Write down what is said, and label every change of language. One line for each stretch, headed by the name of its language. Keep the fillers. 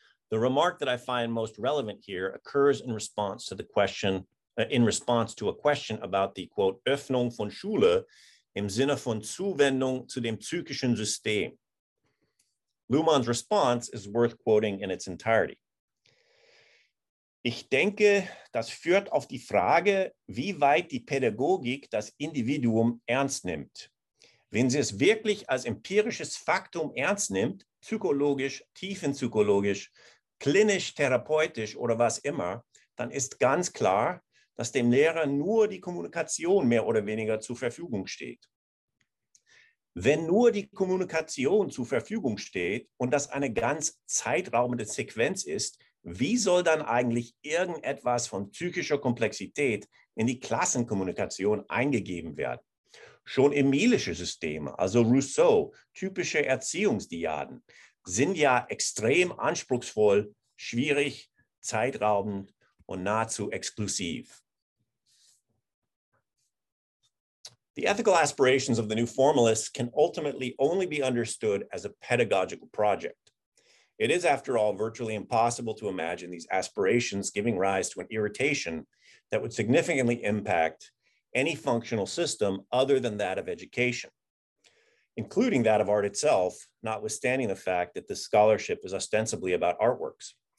English: The remark that I find most relevant here occurs in response to the question, uh, in response to a question about the quote,
German: Öffnung von Schule im Sinne von Zuwendung zu dem psychischen System,
English: Luhmann's response is worth quoting in its entirety.
German: Ich denke, das führt auf die Frage, wie weit die Pädagogik das Individuum ernst nimmt. Wenn sie es wirklich als empirisches Faktum ernst nimmt, psychologisch, tiefenpsychologisch, klinisch, therapeutisch oder was immer, dann ist ganz klar, dass dem Lehrer nur die Kommunikation mehr oder weniger zur Verfügung steht. Wenn nur die Kommunikation zur Verfügung steht und das eine ganz zeitraumende Sequenz ist, wie soll dann eigentlich irgendetwas von psychischer Komplexität in die Klassenkommunikation eingegeben werden? Schon emilische Systeme, also Rousseau, typische Erziehungsdiaden, sind ja extrem anspruchsvoll, schwierig, zeitraubend und nahezu exklusiv.
English: The ethical aspirations of the new formalists can ultimately only be understood as a pedagogical project. It is, after all, virtually impossible to imagine these aspirations giving rise to an irritation that would significantly impact any functional system other than that of education, including that of art itself, notwithstanding the fact that this scholarship is ostensibly about artworks.